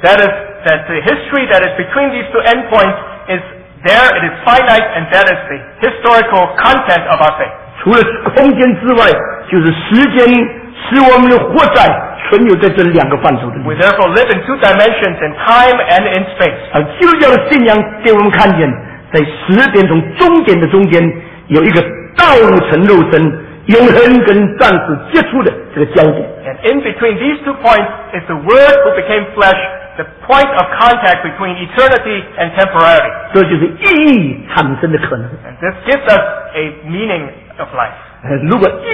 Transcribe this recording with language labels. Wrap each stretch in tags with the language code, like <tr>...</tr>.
<en>that is that the history that is between these two endpoints is there. It is finite, and that is the historical content of our faith.</en> <zh>除了空间之外，就是时间，使我们活在存有在这两个范畴的。</zh> <en>We therefore live in two dimensions, in time and in space.</en> <zh>而基督教的信仰给我们看见。在时间从终点的中间，有一个道成肉身、永恒跟暂时结束的这个交点。</zh> <en>And in between these two points is the Word who became flesh, the point of contact between eternity and temporality.</en> <zh>这就是意义产生的可能。</zh> <en>And this gives us a meaning of life.</en>